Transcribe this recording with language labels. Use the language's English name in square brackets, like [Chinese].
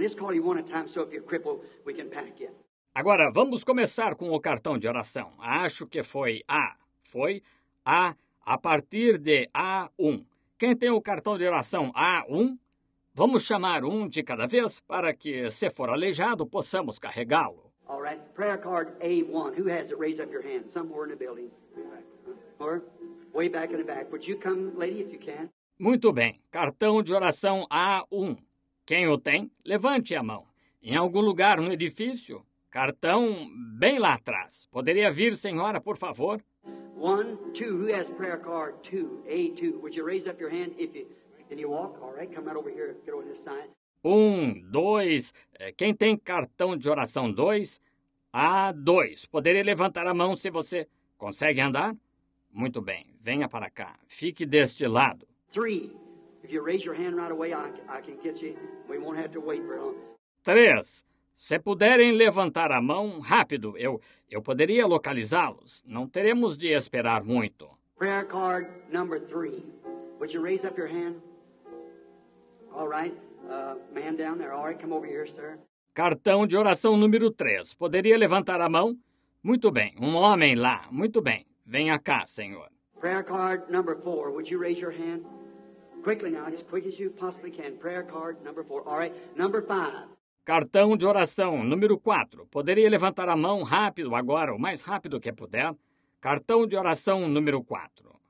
[English] Let's call you one at a time, so if you're crippled, we can pack you. [Portuguese] Agora, vamos começar com o cartão de oração. Acho que foi A. Foi A, a partir de A1. Quem tem o cartão de oração A1? Vamos chamar um de cada vez para que, se for aleijado, possamos carregá-lo. [English] All right, prayer card A1. Who has it? Raise up your hand. Somewhere in the building. Or way back in the back. Would you come, lady, if you can? [Portuguese] Muito bem. Cartão de oração A1. Quem o tem, levante a mão. Em algum lugar no edifício... Cartão bem lá atrás. Poderia vir, senhora, por favor? [English] 1, 2, who has prayer card? 2, A2. Would you raise up your hand if you can you walk? All right, come right over here. Get over this side. [Portuguese] 1, 2. Quem tem cartão de oração 2? A2. Poderia levantar a mão se você consegue andar? Muito bem. Venha para cá. Fique deste lado. [English] 3. If you raise your hand right away, I can get you. We won't have to wait for long. [Portuguese] 3. Se puderem levantar a mão, rápido, eu poderia localizá-los. Não teremos de esperar muito. [English] Prayer card number 3. Would you raise up your hand? All right. Man down there. All right, come over here, sir. [Portuguese] Cartão de oração número 3. Poderia levantar a mão? Muito bem. Um homem lá. Muito bem. Venha cá, senhor. [English] Prayer card number 4. Would you raise your hand? Quickly now, as quick as you possibly can. Prayer card number 4. All right. Number 5. [Portuguese] Cartão de oração número 4. Poderia levantar a mão rápido agora, o mais rápido que puder. Cartão de oração número 4.